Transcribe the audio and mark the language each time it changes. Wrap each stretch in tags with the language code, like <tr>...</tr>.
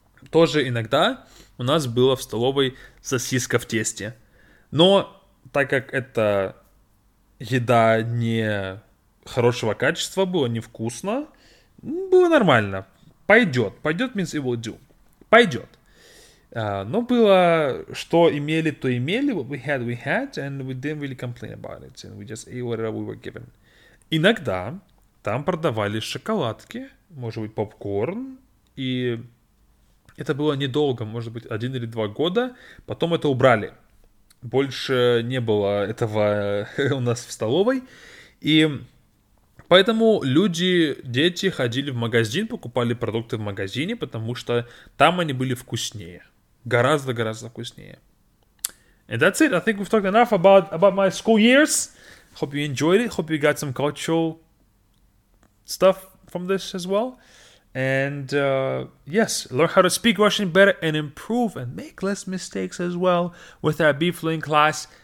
<ru>Тоже иногда у нас было в столовой сосиска в тесте. Но так как это еда не хорошего качества, было невкусно, было нормально.</ru> <en>Пойдет. Пойдет means it will do. Пойдет.</en> <ru>Но было, что имели, то имели.</ru> <en>What we had, and we didn't really complain about it. And we just ate whatever we were given.</en> <ru>Иногда там продавали шоколадки, может быть, попкорн. И это было недолго, может быть, один или два года. Потом это убрали. Больше не было этого у нас в столовой. И... Поэтому люди, дети ходили в магазин, покупали продукты в магазине, потому что там они были вкуснее. Гораздо-гораздо вкуснее.</ru> <en>And that's it. I think we've talked enough about my school years. Hope you enjoyed it. Hope you got some cultural stuff from this as well. And yes, learn how to speak Russian better and improve and make less mistakes as well with our BeFluent class.</en>